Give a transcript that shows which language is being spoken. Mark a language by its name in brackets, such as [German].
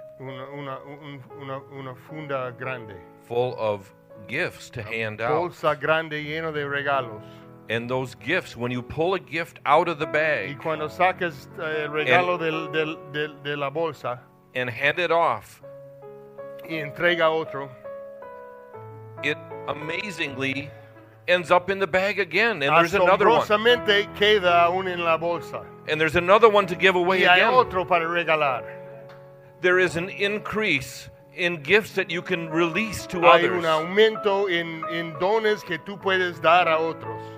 [Spanish] una funda grande, [English] full of gifts to hand [Spanish] bolsa [English] out. [Spanish] Bolsa grande lleno de regalos. [English] And those gifts, when you pull a gift out of the bag [Spanish] y cuando sacas el regalo de la bolsa, [English] and hand it off, [Spanish] y entrega otro, [English] it amazingly ends up in the bag again. And there's another one. [Spanish] Asombrosamente queda aún en la bolsa. [English] And there's another one to give away [Spanish] y hay [English] again. [Spanish] Otro para regalar. [English] There is an increase in gifts that you can release to [Spanish] hay [English] others. [Spanish] Hay un aumento en dones que tú puedes dar a otros.